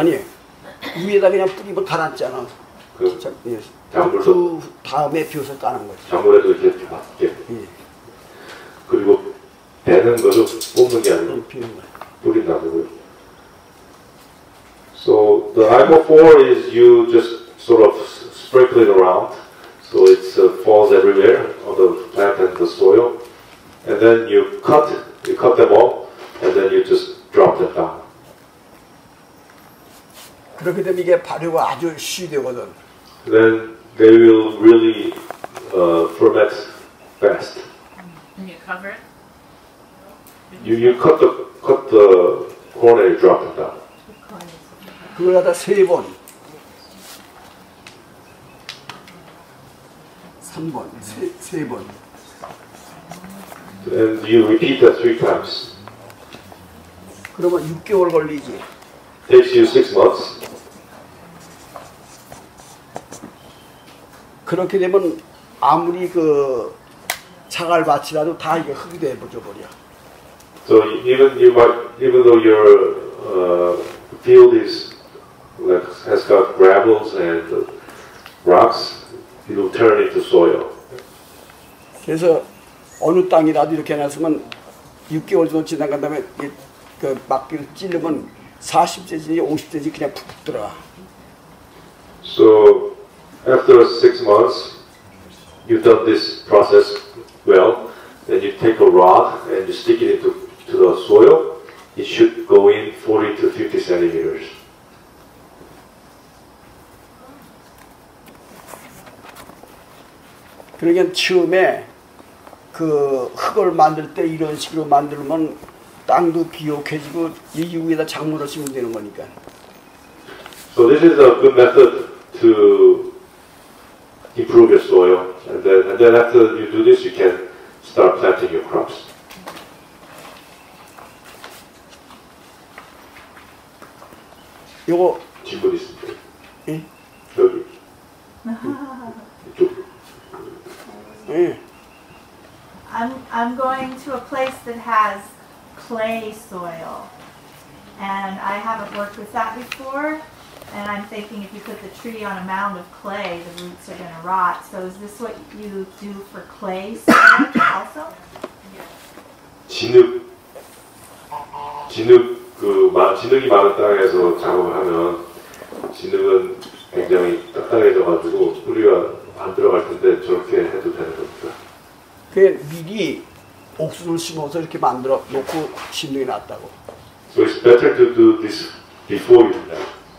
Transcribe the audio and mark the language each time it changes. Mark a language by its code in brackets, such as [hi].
[ko] 아니, 우유에다 그냥 뿌리면 가라앉잖아. 그 작물도 그 다음에 비워서 까는 거지. 작물에도 이렇게 맞게. 그리고 되는 거를 뽑는 게 아니고 뿌린다고요. [en] So the IMO4 is you just sort of sprinkle it around, so it falls everywhere on the plant and the soil, and then you cut them off, and then you just drop them down. [ko] 그렇게 되면 이게 발효가 아주 쉬 되거든. [en] Then they will really ferment fast. And you cover it. You cut the corn and you drop it down. [ko] 그걸 갖다 세 번, 삼 번, 세 번. [en] And you repeat that 3 times. [ko] 그러면 6개월 걸리지. [en] Takes you 6 months. [ko] 그렇게 되면 아무리 그 자갈밭이라도 다 이게 흙이 돼 버려. [en] So even though your field is has got gravels and rocks, it will turn into soil. [ko] 그래서 어느 땅이라도 이렇게 놨으면 6개월 정도 지나간 다음에 그 막기를 찌르면 40cm, 50cm 그냥 푹 들어. [en] So after 6 months, you've done this process well, then you take a rod and you stick it into the soil. It should go in 40 to 50 centimeters. [ko] 그러니까 처음에 그 흙을 만들 때 이런 식으로 만들면 땅도 비옥해지고 이 위에다 작물을 심으면 되는 거니까. [en] So this is a good method to improve your soil. And then after you do this, you can start planting your crops. [ko] 이거 질문 있습니다. 예? 여기. 이쪽. 네. [en] I'm going to a place that has clay soil, and I haven't worked with that before. And I'm thinking if you put the tree on a mound of clay, the roots are going to rot. So is this what you do for clay soil also? [ko] 진흙 그 진흙이 많은 땅에서 작업을 하면 진흙은 굉장히 딱딱해져 가지고 뿌리가 안 들어갈 텐데 저렇게 해도 되는 겁니다. 그 미리 옥수수 심어서 이렇게 만들어 놓고 진흙이 났다고. [en] So it's better to do this before you do that.